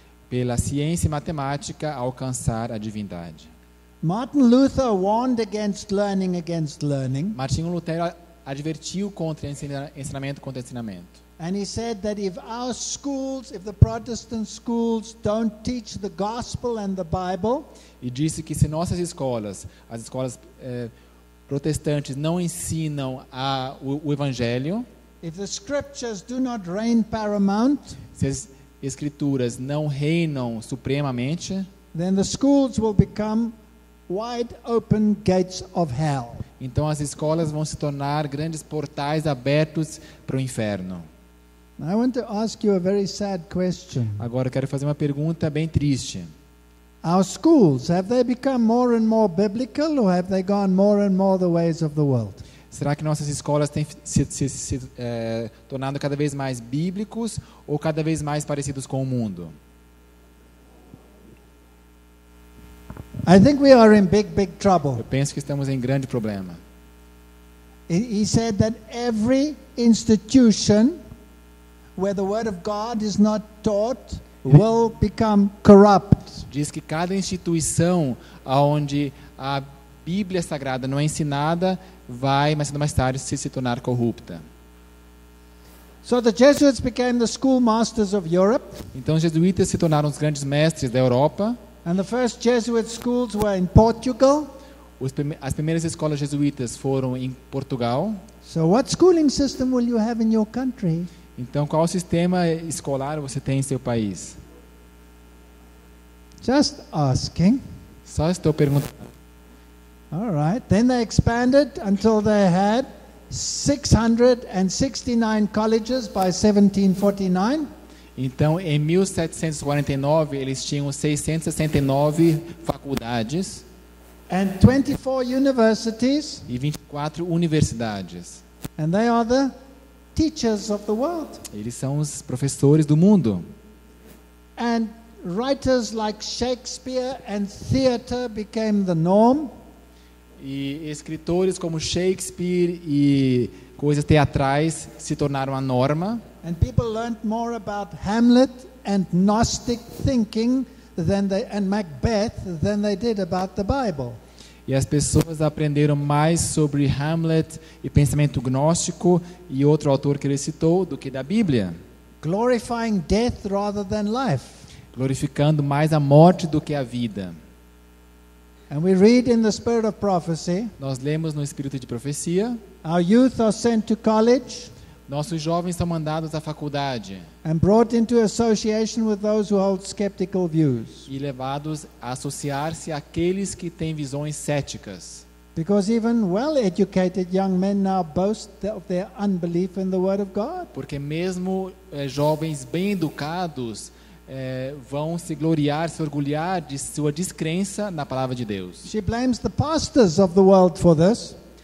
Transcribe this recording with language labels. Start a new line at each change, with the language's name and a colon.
Portuguese: Pela ciência e matemática, alcançar a divindade.
English: Martin Luther warned against learning.
Portuguese: Martinho Lutero advertiu contra ensinamento contra ensinamento.
English: And he said that if our schools, if the Protestant schools don't teach the gospel and the Bible,
Portuguese: e disse que se nossas escolas, as escolas protestantes não ensinam o evangelho,
English: if the scriptures do not reign paramount,
Portuguese: se as escrituras não reinam supremamente,
English: then the schools will become wide open gates of hell.
Portuguese: Então as escolas vão se tornar grandes portais abertos para o inferno.
English: I want to ask you a very sad question.
Portuguese: Agora eu quero fazer uma pergunta bem triste.
English: Our schools, have they become more and more biblical or have they gone more and more the ways of the world?
Portuguese: Será que nossas escolas têm se tornando cada vez mais bíblicos ou cada vez mais parecidos com o mundo?
English: I think we are in big trouble.
Portuguese: Eu penso que estamos em grande problema.
English: He said that every institution where the word of God is not taught will become corrupt.
Portuguese: Diz que cada instituição aonde a Bíblia Sagrada não é ensinada vai mais tarde se tornar corrupta.
English: So the Jesuits became the schoolmasters of Europe.
Portuguese: Então os jesuítas se tornaram os grandes mestres da Europa.
English: And the first Jesuit schools were in Portugal.
Portuguese: As primeiras escolas jesuítas foram em Portugal.
English: So what schooling system will you have in your country?
Portuguese: Então qual sistema escolar você tem em seu país?
English: Just asking.
Portuguese: Só estou perguntando.
English: All right. Then they expanded until they had 669 colleges by 1749.
Portuguese: Então, em 1749, eles tinham 669 faculdades.
English: And 24 universities.
Portuguese: E 24 universidades.
English: And they are the teachers of the world.
Portuguese: Eles são os professores do mundo.
English: And writers like Shakespeare and theater became the norm.
Portuguese: E escritores como Shakespeare e coisas teatrais se tornaram a norma.
English: And people learned more about Hamlet and Gnostic thinking and Macbeth than they did about the Bible.
Portuguese: E as pessoas aprenderam mais sobre Hamlet e pensamento gnóstico e outro autor que ele citou do que da Bíblia.
English: Glorifying death rather than life.
Portuguese: Glorificando mais a morte do que a vida.
English: And we read in the spirit of prophecy.
Portuguese: Nós lemos no espírito de profecia.
English: Our youth are sent to college.
Portuguese: Nossos jovens são mandados à faculdade.
English: And brought into association with those who hold skeptical views.
Portuguese: E levados a associar-se àqueles que têm visões céticas.
English: Because even well-educated young men now boast of their unbelief in the word of God.
Portuguese: Porque mesmo jovens bem educados vão se gloriar, se orgulhar de sua descrença na palavra de Deus.
English: She blames the pastors of the world for this.